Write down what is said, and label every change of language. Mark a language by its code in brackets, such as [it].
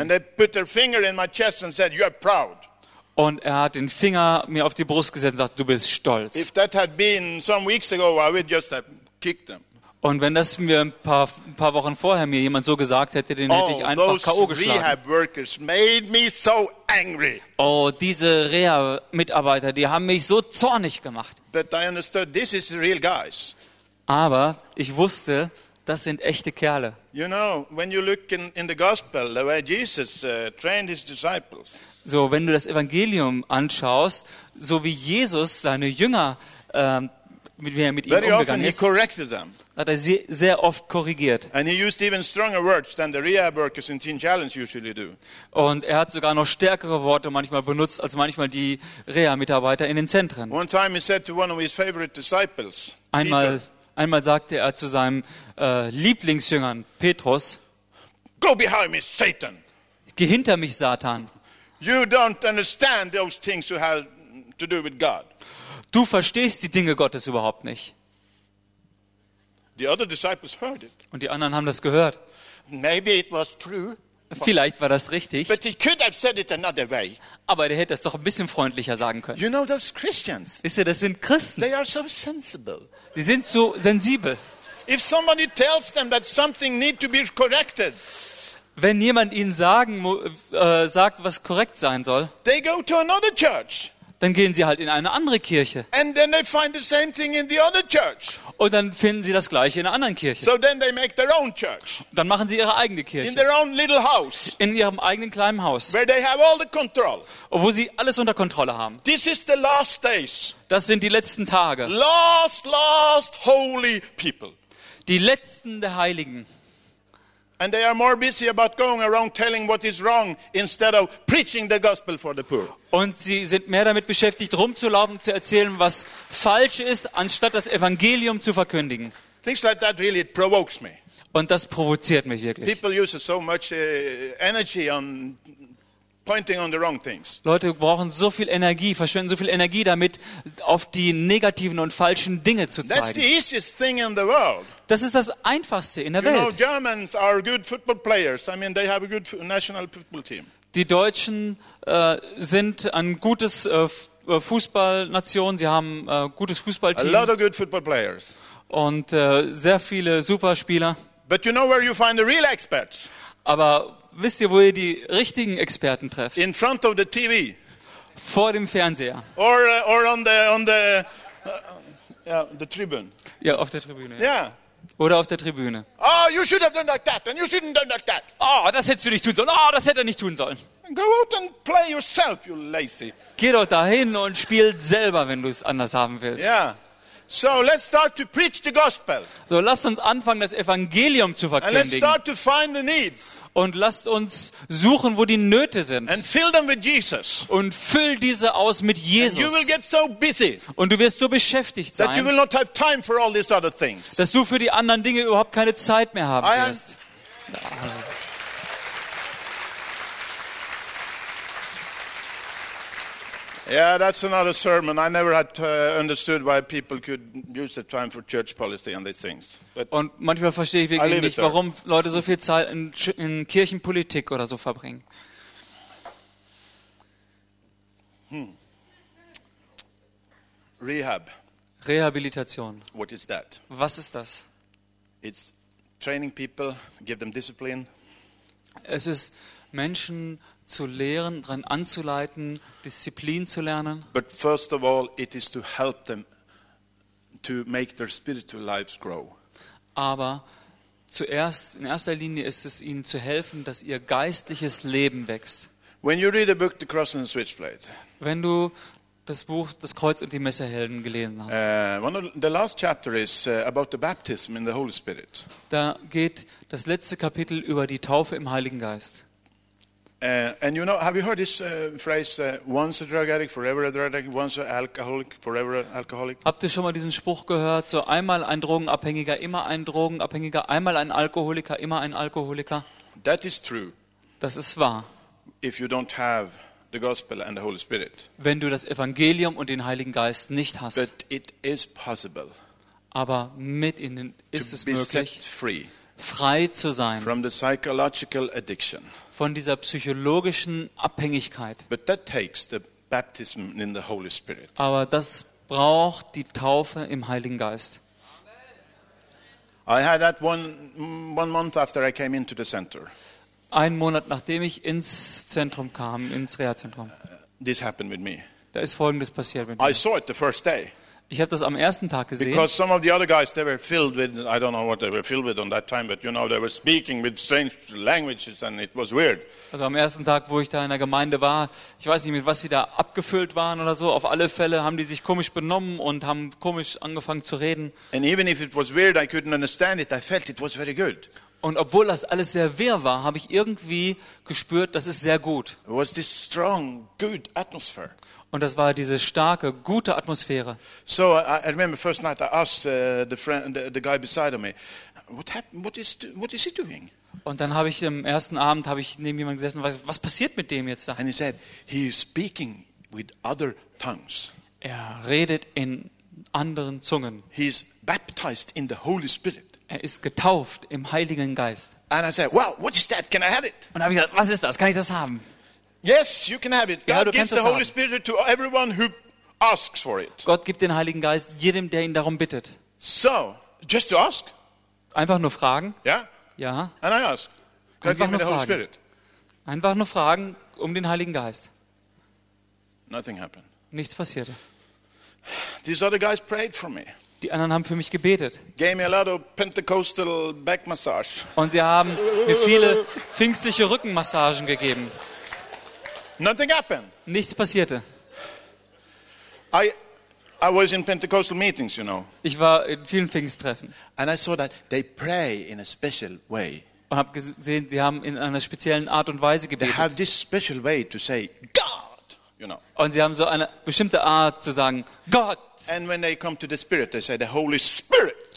[en] And they put their finger in my chest and said, you are proud. [de] Und er hat den Finger mir auf die Brust gesetzt und sagt, du bist stolz. [en] If that had been some weeks ago, I would just have kicked them. [de] Und wenn das mir ein paar Wochen vorher mir jemand so gesagt hätte, den hätte ich einfach K.O. geschlagen. [en] Rehab workers made me so angry. [de] Oh, diese Reha-Mitarbeiter, die haben mich so zornig gemacht. [en] But I understood, this is real guys. [de] Aber ich wusste, das sind echte Kerle. [en] You know, when you look in the gospel, the way Jesus trained his disciples. [de] So, wenn du das Evangelium anschaust, so wie Jesus seine Jünger mit wie er mit ihnen umgegangen ist, [en] corrected them. [de] Hat er sie sehr oft korrigiert. [en] And he used even stronger words than the rehab workers in Teen Challenge usually do. [de] Und er hat sogar noch stärkere Worte manchmal benutzt als manchmal die Reha-Mitarbeiter in den Zentren. [en] One time he said to one of his favorite disciples, [de] einmal sagte er zu seinem Lieblingsjüngern Petrus, [en] go behind me, Satan. [de] Geh hinter mich, Satan. [en] You don't understand those things you have to do with God. [de] Du verstehst die Dinge Gottes überhaupt nicht. [en] The other disciples heard it. [de] Und die anderen haben das gehört. [en] Maybe it was true. [de] Vielleicht war das richtig. [en] But he could have said it another way. [de] Aber der hätte es doch ein bisschen freundlicher sagen können. [en] You know those Christians. [de] Wisst ihr, das sind Christen. [en] They are so sensible. [de] Die sind so sensibel. [en] If somebody tells them that something need to be corrected. [de] Wenn jemand ihnen sagt, was korrekt sein soll. [en] They go to another church. [de] Dann gehen sie halt in eine andere Kirche. [en] And then they find the same thing in the other church. [de] Und dann finden sie das gleiche in einer anderen Kirche. [en] So then they make their own church. [de] Dann machen sie ihre eigene Kirche. [en] In their own little house. [de] In ihrem eigenen kleinen Haus. [en] Where they have all the control. [de] Wo sie alles unter Kontrolle haben. [en] This is the last days. [de] Das sind die letzten Tage. [en] Last holy people. [de] Die letzten der Heiligen. [en] And they are more busy about going around telling what is wrong instead of preaching the gospel for the poor. [de] Und sie sind mehr damit beschäftigt rumzulaufen zu erzählen, was falsch ist, anstatt das Evangelium zu verkündigen. [en] Things like that really provokes me. [de] Und das provoziert mich wirklich. [en] People use so much energy on pointing on the wrong things. [de] Leute brauchen so viel Energie, verschwenden so viel Energie damit, auf die negativen und falschen Dinge zu zeigen. [en] That's the easiest thing in the world. [de] Das ist das Einfachste in der you Welt. [en] You know, Germans are good football players. I mean, they have a good national football team. [de] Die Deutschen sind ein gutes Fußballnation. Sie haben gutes Fußballteam. [en] A lot of good football players. [de] Und sehr viele Superspieler. [en] But you know where you find the real experts. [de] Aber wisst ihr, wo ihr die richtigen Experten trefft? [en] In front of the TV. [de] Vor dem Fernseher. [en] Or on the Tribune. [de] Ja, auf der Tribüne. Ja. Yeah. Oder auf der Tribüne. [en] Oh, you should have done like that, and you shouldn't have done like that. [de] Oh, das hättest du nicht tun sollen. Oh, das hätte er nicht tun sollen. [en] Go out and play yourself, you lazy. [de] Geh doch dahin und spiel selber, wenn du es anders haben willst. [en] Ja. Yeah. So let's start to preach the gospel. [de] So lasst uns anfangen, das Evangelium zu verkündigen. [en] And let's start to find the needs. [de] Und lasst uns suchen, wo die Nöte sind. [en] And fill them with Jesus. [de] Und füll diese aus mit Jesus. [en] And you will get so busy. [de] Und du wirst so beschäftigt sein. [en] That you will not have time for all these other things. [de] Dass du für die anderen Dinge überhaupt keine Zeit mehr haben wirst. [en] Yeah. Yeah, that's another sermon. I never had understood why people could use the time for church policy and these things. [de] But und manchmal verstehe ich wirklich nicht, warum Leute so viel Zeit in Kirchenpolitik oder so verbringen. [en] Rehab. [de] Rehabilitation. [en] What is that? [de] Was ist das? [en] It's training people, give them discipline. [de] Es ist Menschen zu lehren, daran anzuleiten, Disziplin zu lernen. [en] But first of all, it is to help them to make their spiritual lives grow. [de] Aber zuerst, in erster Linie ist es ihnen zu helfen, dass ihr geistliches Leben wächst. [en] When you read a book, The Cross and the Switchblade. [de] Wenn du das Buch Das Kreuz und die Messerhelden gelesen hast. [en] One of the last chapter is about the baptism in the Holy Spirit. [de] Da geht das letzte Kapitel über die Taufe im Heiligen Geist. [en] And you know, have you heard this phrase, once a drug addict, forever a drug addict, once an alcoholic, forever an alcoholic? [de] Habt ihr schon mal diesen Spruch gehört, so einmal ein Drogenabhängiger, immer ein Drogenabhängiger, einmal ein Alkoholiker, immer ein Alkoholiker? [en] That is true. [de] Das ist wahr. [en] If you don't have the gospel and the Holy Spirit. [de] Wenn du das Evangelium und den Heiligen Geist nicht hast. [en] But it is possible. [de] Aber mit ihnen ist es möglich, [en] free, [de] frei zu sein. [en] From the psychological addiction. [de] Von dieser psychologischen Abhängigkeit. [en] But that takes the baptism in the Holy Spirit. [de] Aber das braucht die Taufe im Heiligen Geist. [en] Amen. I had that one month after I came into the center. [de] Einen Monat nachdem ich ins Zentrum kam, ins Reha-Zentrum. [en] This happened with me. [de] Da ist Folgendes passiert mit mir. [en] I saw it the first day. [de] Ich habe das am ersten Tag gesehen. [en] Because some of the other guys, they were filled with, I don't know what they were filled with on that time, but you know, they were speaking with strange languages and it was weird. [de] Also am ersten Tag, wo ich da in der Gemeinde war, ich weiß nicht, mit was sie da abgefüllt waren oder so, auf alle Fälle haben die sich komisch benommen und haben komisch angefangen zu reden. [en] And even if it was weird, I couldn't understand it, I felt it was very good. [de] Und obwohl das alles sehr wirr war, habe ich irgendwie gespürt, das ist sehr gut. [en] It was this strong, good atmosphere. [de] Und das war diese starke, gute Atmosphäre. [en] So, I remember first night I asked the friend, the guy beside me, what happened? What is he doing? [de] Und dann habe ich am ersten Abend habe ich neben jemandem gesessen und was passiert mit dem jetzt da? [en] And he said, he is speaking with other tongues. [de] Er redet in anderen Zungen. [en] He is baptized in the Holy Spirit. [de] Er ist getauft im Heiligen Geist. [en] And I said, wow, what is that? Can I have it? [de] Und habe ich gesagt, was ist das? Kann ich das haben? [en] Yes, you can have it. [de] Ja, [en] God gives the Holy Spirit to everyone who asks for it. [de] Gott gibt den Heiligen Geist jedem, der ihn darum bittet. [en] So, just to ask? [de] Einfach nur fragen? [en] Yeah. [de] Ja. [en] And I ask. [de] Einfach nur fragen. Holy Spirit? Einfach nur fragen um den Heiligen Geist. [en] Nothing happened. [de] Nichts passierte. [en] These other guys prayed for me. [de] Die anderen haben für mich gebetet. [en] Gave me a lot of Pentecostal back massage. [de] Und sie haben mir viele pfingstliche Rückenmassagen gegeben. [en] Nothing happened. [de] Nichts passierte. [en] I was in Pentecostal meetings, you know. [de] Ich war in vielen Pfingsttreffen. [en] And I saw that they pray in a special way. [de] Und habe gesehen, sie haben in einer speziellen Art und Weise gebetet. [en] They have this special way to say God, you know. [de] Und sie haben so eine bestimmte Art zu sagen Gott. [en] And when they come to the Spirit, they say the Holy Spirit.